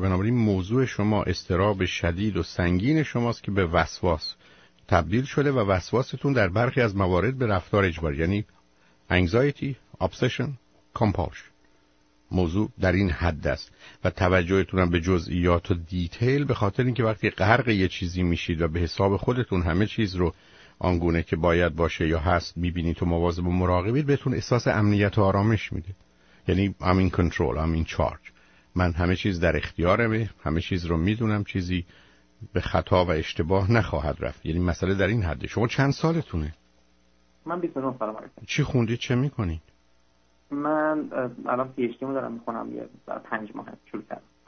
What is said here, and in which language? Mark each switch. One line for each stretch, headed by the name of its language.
Persian: بنابراین موضوع شما استراب شدید و سنگین شماست که به وسواس تبدیل شده و وسواستون در برخی از موارد به رفتار اجباری، یعنی
English: anxiety, obsession, compulsion.
Persian: موضوع در این حد است و توجهتونم به جزئیات و دیتیل به خاطر اینکه وقتی غرق یه چیزی میشید و به حساب خودتون همه چیز رو آنگونه که باید باشه یا هست میبینید و مواظب و مراقبید، بهتون احساس امنیت و آرامش میده.
English: یعنی I'm in control, I'm in charge.
Persian: من همه چیز در اختیارمه، همه چیز رو میدونم، چیزی به خطا و اشتباه نخواهد رفت. یعنی مسئله در این حده. شما چند سالتونه؟ من 29 سالمه. چی خوندی؟ چه میکنی؟ من الان پی‌اچ‌دی رو دارم می‌خونم، یه 5 ماه شروع کردم.